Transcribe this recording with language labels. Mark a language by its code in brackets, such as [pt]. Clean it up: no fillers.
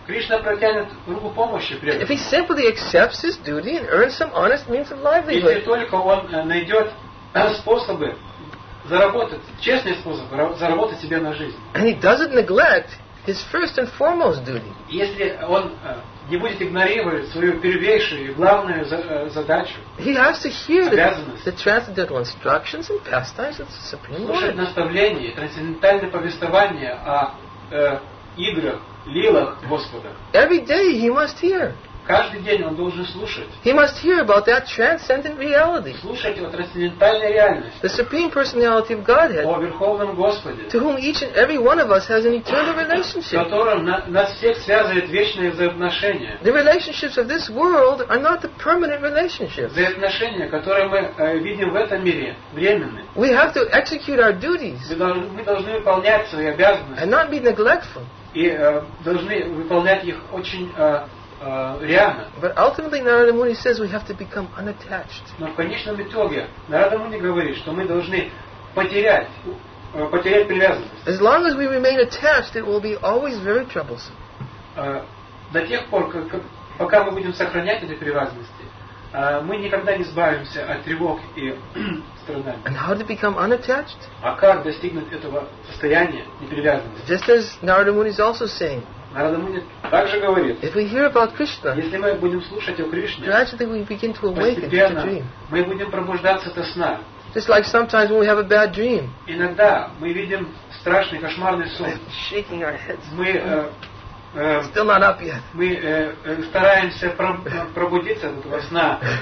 [ru] Кришна протянет руку помощи преданному. [en] If he simply accepts his duty and earns some honest means of livelihood. [ru] Если только он найдет способы заработать, честный способ заработать себе на жизнь. [en] And he doesn't neglect his first and foremost duty. [ru] Если он не будет игнорировать свою первейшую и главную задачу. [en] He has to hear the transcendental instructions and pastimes of the Supreme Lord. [ru] Слушать наставления, трансцендентальное повествование о играх, лилах Господа. [en] Every day he must hear. [ru] Каждый день он должен слушать. [en] He must hear about that transcendent reality. [ru] Слушать о трансцендентальной реальности. [en] The Supreme Personality of Godhead. [ru] О Верховном Господе. [en] To whom each and every one of us has an eternal relationship. [ru] С которым нас всех связывает вечное взаимоотношение. [en] The relationships of this world are not the permanent relationships. [ru] Взаимоотношения, которые мы видим в этом мире, временны. [en] We have to execute our duties. [ru] Мы должны выполнять свои обязанности. [en] And not be neglectful. [ru] И должны выполнять их очень реально. [en] But ultimately, Narada Muni says we have to become unattached. [ru] Но в конечном итоге Нарада Муни говорит, что мы должны потерять привязанность. [en] As long as we remain attached, it will be always very troublesome. [ru] До тех пор, пока мы будем сохранять эти привязанности, мы никогда не избавимся от тревог и страданий. [en] And how to become unattached? [ru] А как достигнуть этого состояния непривязанности? [en] Just as Narada Muni is also saying. [ru] Также говорит, [en] if we hear about Krishna, [ru] если мы будем слушать о Кришне, [en] gradually we begin to awaken to the dream. [ru] Мы будем пробуждаться от сна. [en] Just like sometimes when we have a bad dream. [ru] Иногда мы видим страшный, кошмарный сон. [en] Shaking our heads. [ru] Мы [en] still not up yet. [ru] Мы стараемся пробудиться от этого сна.